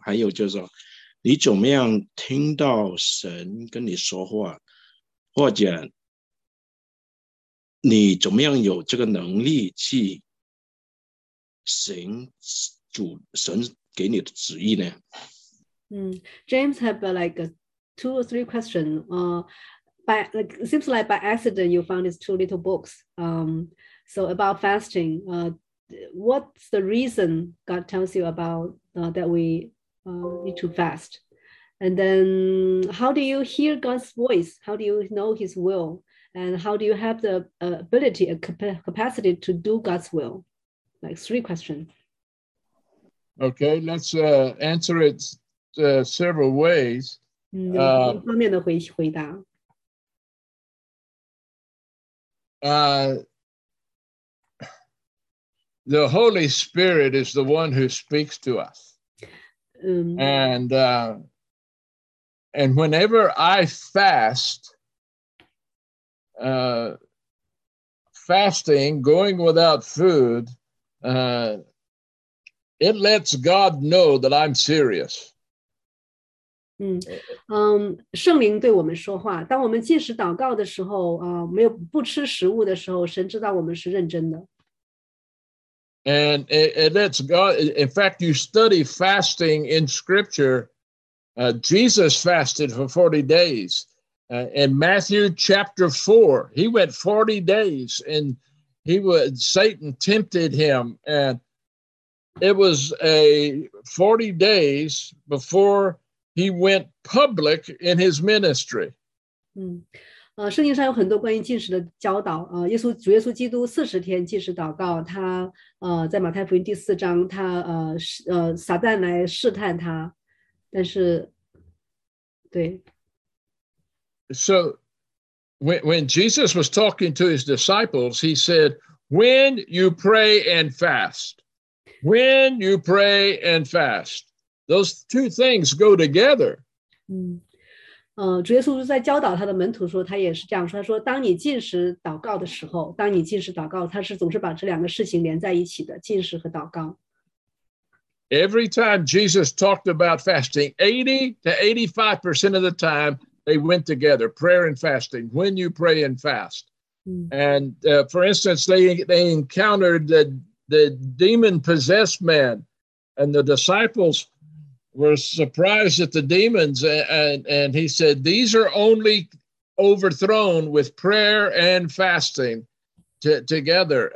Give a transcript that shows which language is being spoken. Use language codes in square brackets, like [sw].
[zh] 还有就是说，你怎么样听到神跟你说话，或者你怎么样有这个能力去行主神给你的旨意呢？ [en] James have like two or three questions. It seems like by accident you found these two little books. So about fasting, what's the reason God tells you about that we need to fast? And then how do you hear God's voice? How do you know his will? And how do you have the ability, a capacity to do God's will? Like three questions. Okay, let's answer it several ways. [zh] 有方面的回答。 [en] The Holy Spirit is the one who speaks to us. And whenever I fast, fasting, going without food, it lets God know that I'm serious. [zh] 圣灵对我们说话，当我们进食祷告的时候，没有不吃食物的时候，神知道我们是认真的。 [en] And it lets God, in fact, you study fasting in scripture. Jesus fasted for 40 days. In Matthew chapter 4, he went 40 days and Satan tempted him. And it was 40 days before he went public in his ministry. [zh] 圣经上有很多关于禁食的教导，主耶稣基督四十天禁食祷告，他在马太福音第四章，他撒旦来试探他，但是，对。 [en] So, when Jesus was talking to his disciples, he said, "When you pray and fast, when you pray and fast, those two things go together." [zh] 主耶稣在教导他的门徒说，他也是这样说，他说当你禁食祷告的时候，当你禁食祷告，他是总是把这两个事情连在一起的，禁食和祷告。 [en] Every time Jesus talked about fasting, 80-85% of the time, they went together, prayer and fasting, when you pray and fast. And for instance, they encountered the demon-possessed man, and the disciples were surprised at the demons, and he said, these are only overthrown with prayer and fasting together.